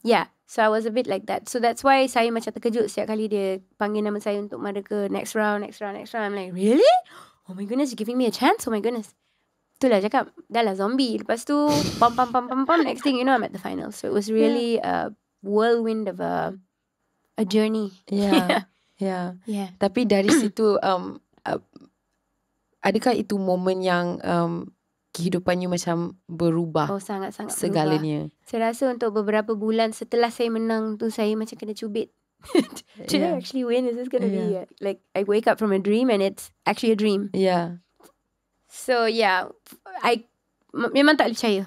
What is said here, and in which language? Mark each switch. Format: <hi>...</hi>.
<en>Yeah. So, I was a bit like that. So, that's why</en> <ms>saya macam terkejut setiap kali dia panggil nama saya untuk mara ke</ms> <en>next round. I'm like, really? Oh my goodness, you're giving me a chance? Oh my goodness.</en> <ms>Itulah cakap, dah lah zombie. Lepas tu, pom.</ms> <en>Next thing you know, I'm at the final. So it was really a whirlwind of a journey. Yeah.</en> <ms>Tapi dari situ, adakah itu momen yang kehidupan you macam berubah? Oh, sangat-sangat segalanya. Berubah. Saya rasa untuk beberapa bulan setelah saya menang tu, saya macam kena cubit.</ms> <en>Did I actually win? Is this going to be like, I wake up from a dream and it's actually a dream? Yeah. So yeah,</en> <ms>memang tak boleh percaya.</ms>